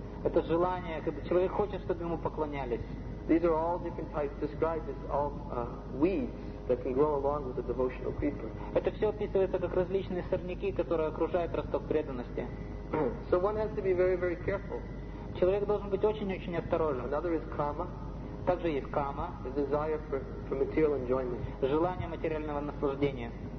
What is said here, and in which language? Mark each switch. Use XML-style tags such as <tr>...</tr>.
<ru>Это желание, когда человек хочет, чтобы ему поклонялись.</ru> <en>These are all different types described as all weeds that can grow along with the devotional creeper.</en> <ru>Это все описывается как различные сорняки, которые окружают росток преданности.</ru> <en>So one has to be very, very careful.</en> <ru>Человек должен быть очень-очень осторожен.</ru> <en>Another is kama.</en> <ru>Также есть кама.</ru> <en>The desire for material enjoyment.</en> <ru>Желание материального наслаждения.</ru>